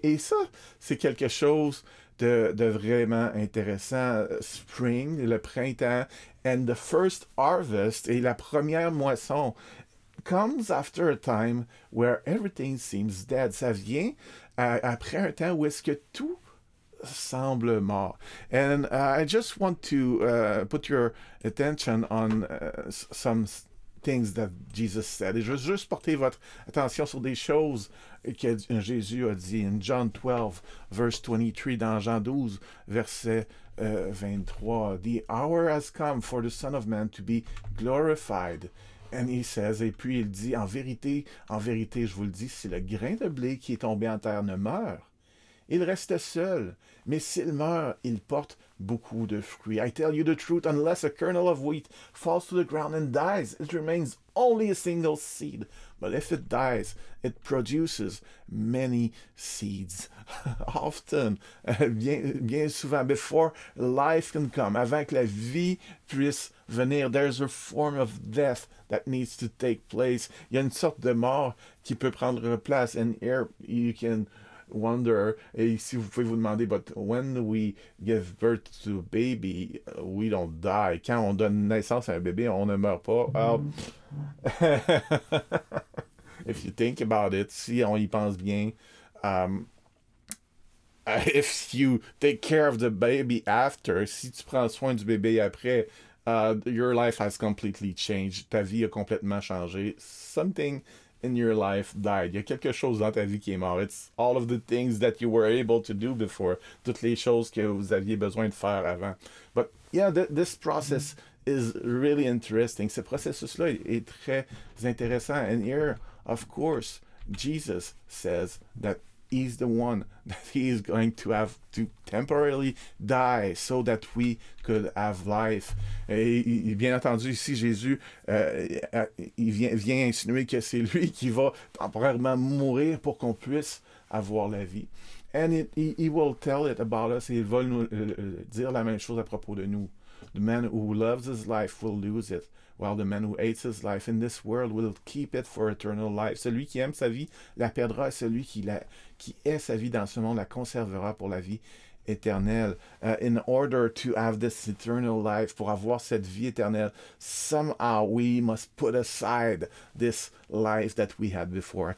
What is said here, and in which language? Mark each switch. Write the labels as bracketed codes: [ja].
[fr] Et ça, c'est quelque chose de vraiment intéressant. [en] Spring, [fr] le printemps, [en] and the first harvest, [fr] et la première moisson, [en] comes after a time where everything seems dead. [fr] Ça vient après un temps où est-ce que tout semble mort. [en] And I just want to put your attention on some things that Jesus said. [fr] Et je veux juste porter votre attention sur des choses que Jésus a dit. [en] In John 12, verse 23, [fr] dans Jean 12, verset 23, [en] the hour has come for the Son of Man to be glorified. And he says, [fr] et puis il dit, en vérité, je vous le dis, si le grain de blé qui est tombé en terre ne meurt, il reste seul, mais s'il meurt, il porte beaucoup de fruits. [en] I tell you the truth, unless a kernel of wheat falls to the ground and dies, it remains only a single seed. But if it dies, it produces many seeds. Often, [fr] bien souvent, [en] before life can come, [fr] avant que la vie puisse venir, [en] there's a form of death that needs to take place. [fr] Il y a une sorte de mort qui peut prendre place. [en] And here you can wonder, [fr] et ici vous pouvez vous demander, [en] but when we give birth to a baby, we don't die. [fr] Quand on donne naissance à un bébé, on ne meurt pas. [en] If you think about it, [fr] si on y pense bien, [en] if you take care of the baby after, [fr] si tu prends soin du bébé après, [en] your life has completely changed. [fr] Ta vie a complètement changé. [en] Something in your life died. [fr] Il y a quelque chose dans ta vie qui est mort. [en] It's all of the things that you were able to do before. [fr] Toutes les choses que vous aviez besoin de faire avant. [en] But yeah, this process is really interesting. [fr] Ce processus-là est très intéressant. [en] And here, of course, Jesus says that he's the one that he is going to have to temporarily die so that we could have life. [fr] Et bien entendu, ici, Jésus, il vient insinuer que c'est lui qui va temporairement mourir pour qu'on puisse avoir la vie. [en] And he will tell it about us. [fr] Il va nous dire la même chose à propos de nous. [en] The man who loves his life will lose it, while the man who hates his life in this world will keep it for eternal life. [fr] Celui qui aime sa vie la perdra, et celui qui hait sa vie dans ce monde la conservera pour la vie éternelle. [en] In order to have this eternal life, [fr] pour avoir cette vie éternelle, [en] somehow we must put aside this life that we had before.